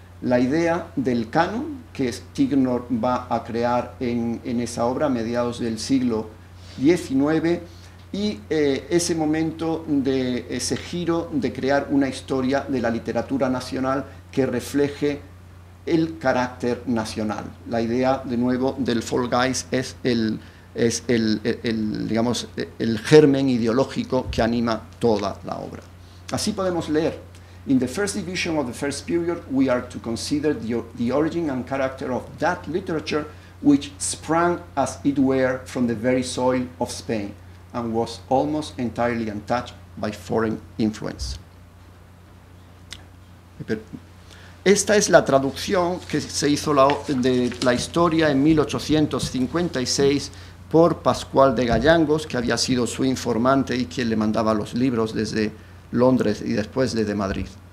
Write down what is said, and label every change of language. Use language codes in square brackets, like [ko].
[es] La idea del canon, que Ticknor va a crear en esa obra a mediados del siglo XIX, y ese momento de ese giro de crear una historia de la literatura nacional que refleje el carácter nacional. La idea, de nuevo, del Folkgeist es el germen ideológico que anima toda la obra. Así podemos leer: [en] In the first division of the first period, we are to consider the origin and character of that literature which sprang, as it were, from the very soil of Spain and was almost entirely untouched by foreign influence. [es] Esta es la traducción que se hizo de la historia en 1856 por Pascual de Gallangos, que había sido su informante y quien le mandaba los libros desde Londres y después desde Madrid.